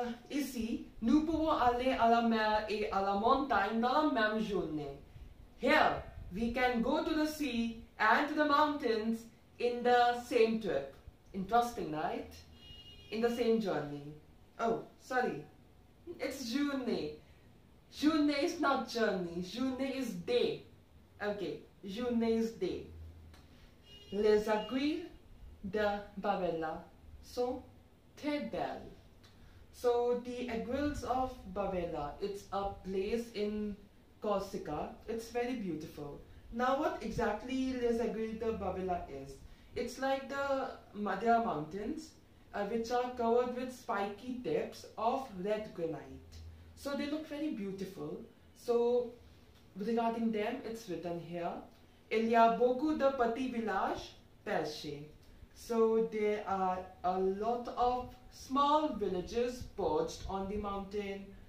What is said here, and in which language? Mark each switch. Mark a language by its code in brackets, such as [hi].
[fr] Ici, nous pouvons aller à la mer et à la montagne dans la même journée. [en] Here, we can go to the sea and to the mountains in the same trip. Interesting, right? In the same journey. Oh, sorry. It's journée. Journée is not journey. Journée is day. Okay, journée is day. [fr] Les aiguilles de Babella sont très belles. [en] So the Aiguilles of Babella, it's a place in Corsica. It's very beautiful. Now what exactly Les Aiguilles de Babella is? It's like the Madeira Mountains, which are covered with spiky tips of red granite. So they look very beautiful. So regarding them, it's written here. [fr] Il y a beaucoup de petits villages perchés. [en] So there are a lot of small villages perched on the mountain.